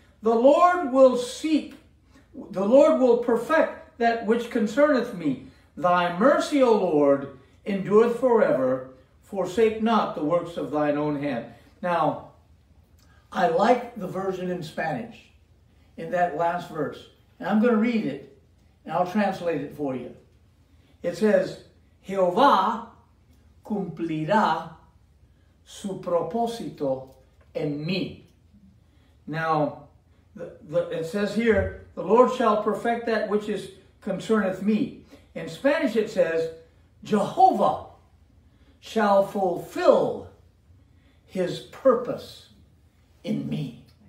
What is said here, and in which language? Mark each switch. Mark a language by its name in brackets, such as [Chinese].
[English] The Lord will seek, the Lord will perfect that which concerneth me. Thy mercy, O Lord, endureth forever. Forsake not the works of thine own hand. Now, I like the version in Spanish in that last verse. And I'm going to read it, and I'll translate it for you. It says, [Spanish] Jehová cumplirá su propósito en mí. [English] Now, it says here, the Lord shall perfect that which is concerneth me. In Spanish it says, Jehovah shall fulfill his purpose in me.